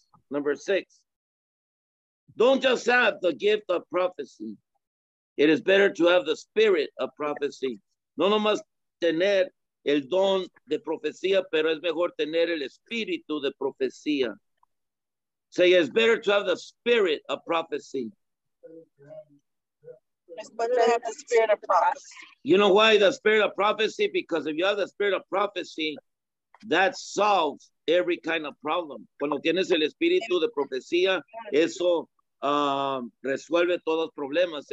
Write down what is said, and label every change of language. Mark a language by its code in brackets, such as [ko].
[en] Number six. Don't just have the gift of prophecy. It is better to have the spirit of prophecy. [es] No nomás tener el don de profecía, pero es mejor tener el espíritu de profecía. [en] Say, it's better to have the spirit of prophecy. It's better to have the spirit of prophecy. You know why the spirit of prophecy? Because if you have the spirit of prophecy, that solves every kind of problem. [es] Cuando tienes el espíritu de profecía, eso resuelve todos los problemas.